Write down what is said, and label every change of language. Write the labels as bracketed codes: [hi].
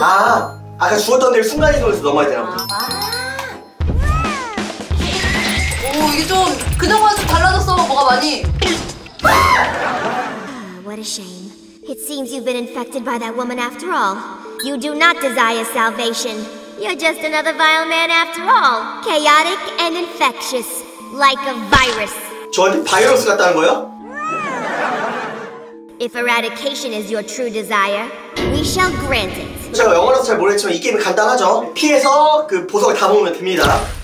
[ko] 아, 아까 죽었던 데를 순간이동해서 넘어야 되나 보다. 오, 이게 좀 그동안은 달라졌어. 뭐가 많이. [en] What a shame. It seems you've been infected by that woman after all. You do not desire salvation. You're just another vile man after all. Chaotic and infectious. Like a virus. [ko] 저한테 바이러스 같다는 거예요? [en] If eradication is your true desire, we shall grant it. [ko] 제가 영어로 잘 모르겠지만 이 게임이 간단하죠? 피해서 그 보석을 다 모으면 됩니다.